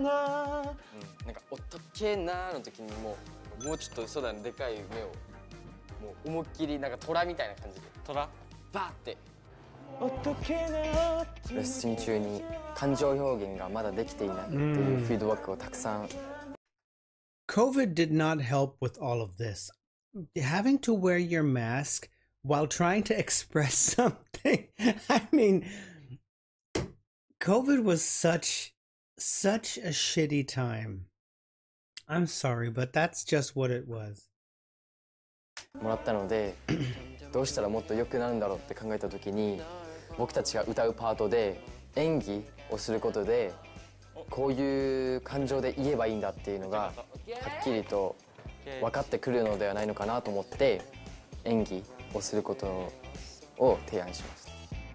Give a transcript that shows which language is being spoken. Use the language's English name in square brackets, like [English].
[Japanese] なんか、おっとけなの時にもうちょっと、そうだね、でかい目を、もう思いっきり、なんか虎みたいな感じで。虎バーって。おっとけな。レッスン中に、感情表現がまだできていないっていうフィードバックをたくさん。 [English] COVID did not help with all of this. Having to wear your mask while trying to express something, I mean, COVID was such a shitty time. I'm sorry, but that's just what it was. [Japanese] もらったので、どうしたらもっと良くなるんだろうって考えたときに、僕たちが歌うパートで演技をすることで、こういう感情で言えばいいんだっていうのがはっきりと分かってくるのではないのかなと思って、演技をすることを提案しました。